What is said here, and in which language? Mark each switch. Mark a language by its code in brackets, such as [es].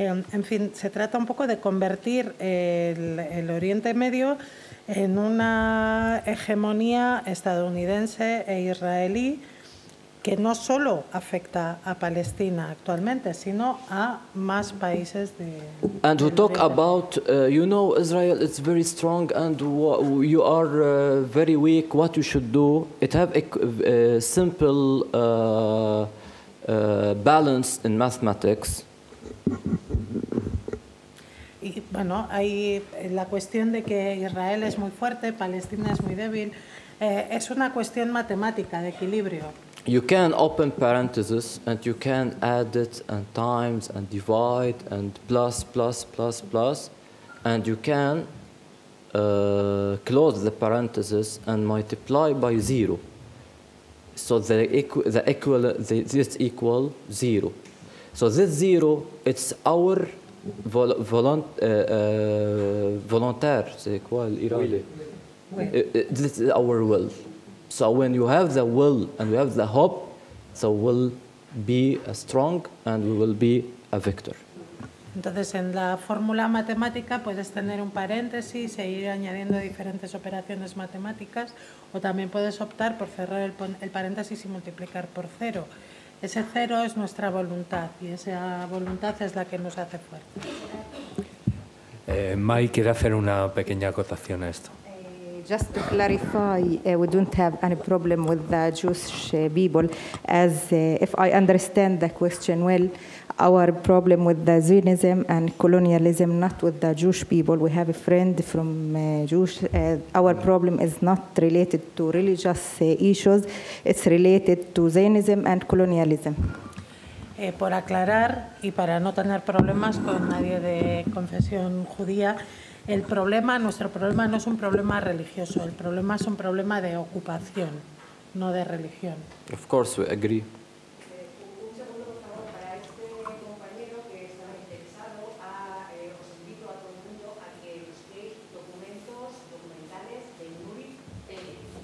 [es] En fin, se trata un poco de convertir el Oriente Medio en una hegemonía estadounidense e israelí que no solo afecta a Palestina actualmente, sino a más países de. [en] And to talk about, you know, Israel is very strong and you are very weak. What you should do? It have a simple balance in mathematics. [es] Y bueno, hay la cuestión de que Israel es muy fuerte, Palestina es muy débil. Es una cuestión matemática de equilibrio. [en] You can open parentheses and you can add it and times and divide and plus, plus, plus, plus. And you can close the parentheses and multiply by zero. So this equal zero. So this zero, it's our [fr] volontaire, c'est quoi l'Iran? [en] This is our will. So when you have the will and you have the hope, so we'll be strong and we will be a victor. [es] Entonces, en la fórmula matemática puedes tener un paréntesis e ir añadiendo diferentes operaciones matemáticas, o también puedes optar por cerrar el paréntesis y multiplicar por cero. Ese cero es nuestra voluntad y esa voluntad es la que nos hace fuerte. Mai quiere hacer una pequeña acotación a esto. [en] Just to clarify, we don't have any problem with the Jewish people. As if I understand the question well, our problem with the Zionism and colonialism, not with the Jewish people. We have a friend from Jewish. Our problem is not related to religious issues. It's related to Zionism and colonialism. [es] Por aclarar y para no tener problemas con nadie de confesión judía, el problema, nuestro problema no es un problema religioso, el problema es un problema de ocupación, no de religión. [en] Of course we agree. [es] Un segundo, por favor, para este compañero que está interesado, os invito a todo el mundo a que nos dé un documento que documentales de Nuri Pérez.